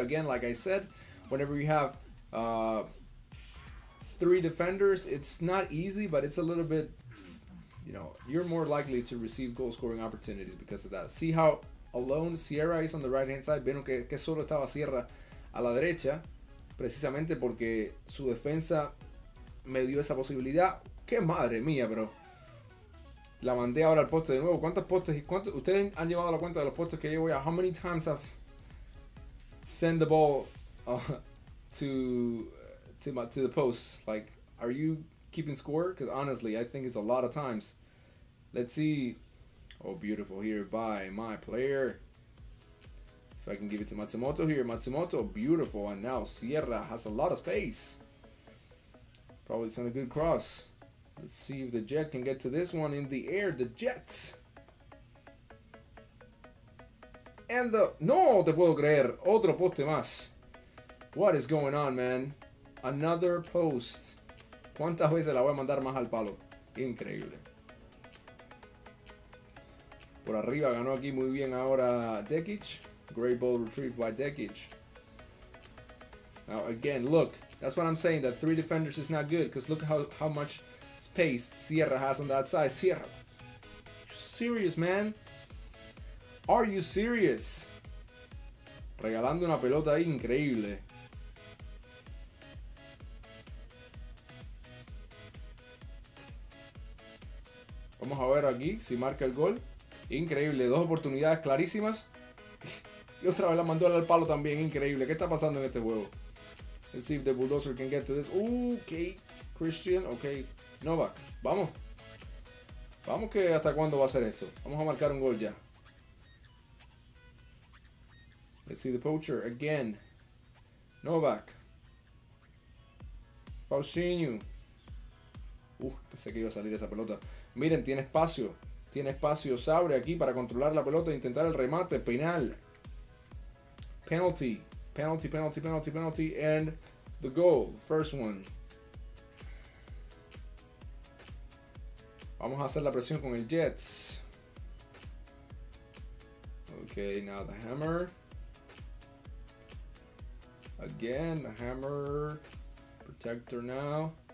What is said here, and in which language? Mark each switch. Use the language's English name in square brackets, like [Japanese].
[English] Again, like I said, whenever you have three defenders, it's not easy, but it's a little bit... you know, you're more likely to receive goal scoring opportunities because of that. See how alone Sierra is on the right hand side. [Spanish] Vieron que solo estaba Sierra a la derecha, precisamente porque su defensa me dio esa posibilidad. Qué madre mía, bro. La mandé ahora al poste de nuevo. ¿Cuántos postes? ¿Cuántos? ¿Ustedes han llevado la cuenta de los postes que llevo ya? [English] How many times I've sent the ball to the posts? Like, are you keeping score? Because honestly, I think it's a lot of times. Let's see. Oh, beautiful here by my player. If I can give it to Matsumoto here. Matsumoto, beautiful. And now Sierra has a lot of space. Probably sent a good cross. Let's see if the Jet can get to this one in the air. The Jet. And the... [Spanish] No, te puedo creer. Otro poste más. [English] What is going on, man? Another post. [Spanish] ¿Cuántas veces la voy a mandar más al palo? Increíble. Por arriba ganó aquí muy bien ahora Dekic. [English] Great ball retrieved by Dekic. Now, again, look. That's what I'm saying, that three defenders is not good, because look how much space Sierra has on that side. Sierra. Serious, man. Are you serious? [Spanish] Regalando una pelota ahí, increíble. Vamos a ver aquí si marca el gol. Increíble, dos oportunidades clarísimas. Y otra vez la mandó al palo también, increíble. ¿Qué está pasando en este juego? [English] Let's see if the bulldozer can get to this. Okay, Christian. Okay, Novak. [Spanish] Vamos. Vamos que hasta cuándo va a ser esto. Vamos a marcar un gol ya. [English] Let's see the poacher again. Novak. [Spanish] Faustinho. Pensé que iba a salir esa pelota. Miren, tiene espacio. Tiene espacio Sabre aquí para controlar la pelota e intentar el remate. Penal. Penalty. [English] Penalty, penalty, penalty, penalty, and the goal, first one. [Spanish] Vamos a hacer la presión con el Jets. [English] Okay, now the hammer. Again, the hammer. Protector now.